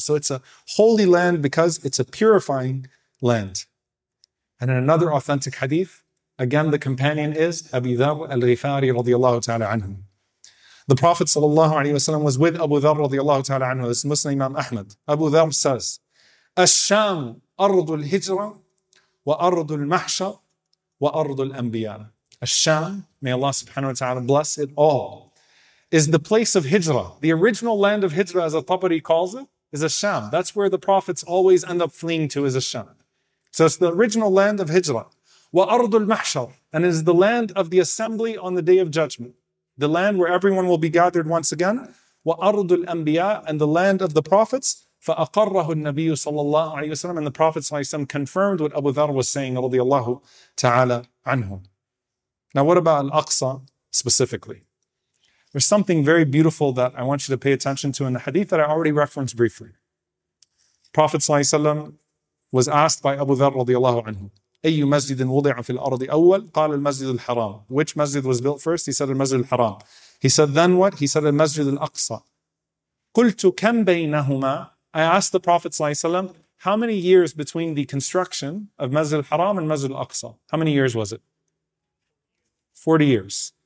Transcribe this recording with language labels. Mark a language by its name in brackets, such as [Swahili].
[English] So it's a holy land because it's a purifying land. And in another authentic hadith, again, the companion is Abu Dharr al-Ghifari radiallahu ta'ala anhu. The Prophet sallallahu alayhi wa sallam was with Abu Dharr radiallahu ta'ala anhu. This is Muslim Imam Ahmad. [Arabic] Abu Dharr says, الشام أرض الهجرة وأرض المحشر وأرض الأنبياء. [English] الشام, may Allah subhanahu wa ta'ala bless it all, is the place of hijrah. The original land of hijrah, as Al-Tabari calls it, is Al-Sham. That's where the prophets always end up fleeing to, is Al-Sham. So it's the original land of hijrah. [Arabic] وأرض المحشر, [English] and is the land of the assembly on the Day of Judgment. The land where everyone will be gathered once again. [Arabic] وأرض الأنبياء, [English] and the land of the prophets. [Arabic] فَأَقَرَّهُ النَّبِيُّ صَلَّى اللَّهُ عَلَيْهِ وَسَلَّمَ, [English] and the Prophet ﷺ confirmed what Abu Dharr was saying radiallahu ta'ala anhu. Now what about Al-Aqsa specifically? There's something very beautiful that I want you to pay attention to in the hadith that I already referenced briefly. Prophet ﷺ was asked by Abu Dharr radiallahu anhu, [Arabic] أَيُّ مَسْجِدٍ وُضِعَ فِي الْأَرْضِ أَوَّلْ قَالَ الْمَسْجِدُ الْحَرَامِ. [English] Which masjid was built first? He said al-masjid al-haram. He said then what? He said al-masjid al-Aqsa. [Arabic] قُلْتُ كَمْ بَيْنَهُمَا. [English] I asked the Prophet ﷺ, how many years between the construction of Masjid al-Haram and Masjid al-Aqsa? How many years was it? 40 years.